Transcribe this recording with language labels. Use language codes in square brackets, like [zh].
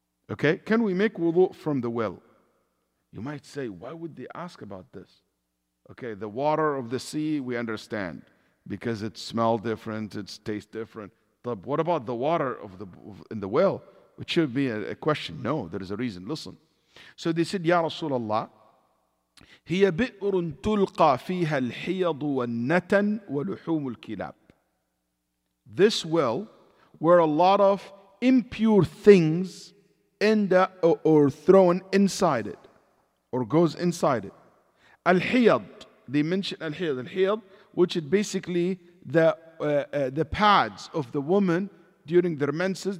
[en] Okay, can we make wudu' from the well? You might say, why would they ask about this? Okay, the water of the sea, we understand, because it smells different, it tastes different. But what about the water of the in the well? It should be a question. No, there is a reason. Listen. So they said, [ar] Ya Rasulullah, هي بئر تلقى فيها الحيض والنتن ولحوم الكلاب. [en] This well, where a lot of impure things end up or thrown inside it, or goes inside it. الحيض, they mention الحيض. الحيض, which is basically the pads of the woman during their menses.